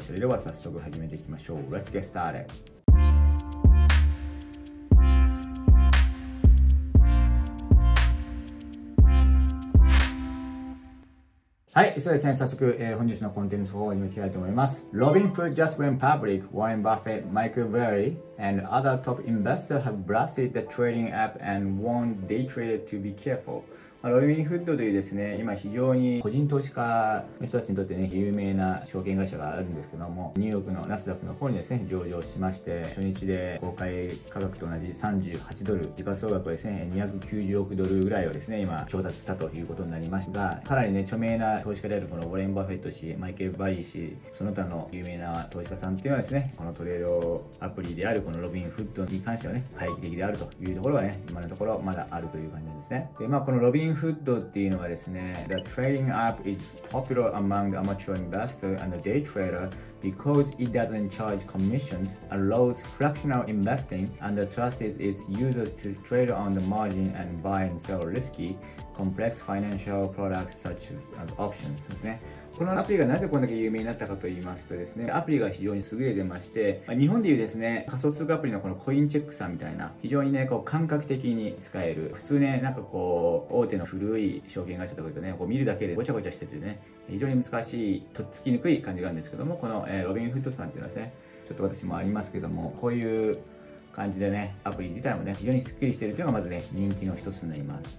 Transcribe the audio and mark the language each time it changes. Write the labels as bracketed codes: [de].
[ja] それでは早速始めていきましょう。 [en] Let's get started。 [ja] はい、そうですね、早速、本日のコンテンツの方に向きたいと思います。 [en] Robinhood just went public. Warren Buffett, Michael Burry and other top investors have blasted the trading app and warned day traders to be careful。 [ja] ロビンフッドというですね、今非常に個人投資家の人たちにとってね、有名な証券会社があるんですけども、ニューヨークのナスダックの方にですね、上場しまして、初日で公開価格と同じ38ドル、時価総額で1290億ドルぐらいをですね、今調達したということになりますが、かなりね、著名な投資家であるこのウォレン・バフェット氏、マイケル・バリー氏、その他の有名な投資家さんっていうのはですね、このトレードアプリであるこのロビンフッドに関してはね、回帰的であるというところはね、今のところまだあるという感じなんですね。で、まあこのロビンフッドっていうのはですね、 [en] The trading app is popular among amateur investors and day trader because it doesn't charge commissions, allows fractional investing, and trusts its users to trade on the margin and buy and sell risky complex financial products such as options [ja] ですね。このアプリがなぜこれだけ有名になったかと言いますとですね、アプリが非常に優れてまして、まあ、日本でいうですね、仮想通貨アプリのこのコインチェックさんみたいな、非常にね、こう感覚的に使える。普通ね、なんかこう、大手の古い証券会社とかでね、こう見るだけでごちゃごちゃしててね、非常に難しい、とっつきにくい感じがあるんですけども、この、ロビンフッドさんっていうのはですね、ちょっと私もありますけども、こういう、感じでね、アプリ自体もね、非常にスッキリしてるというのがまずね、人気の一つになります。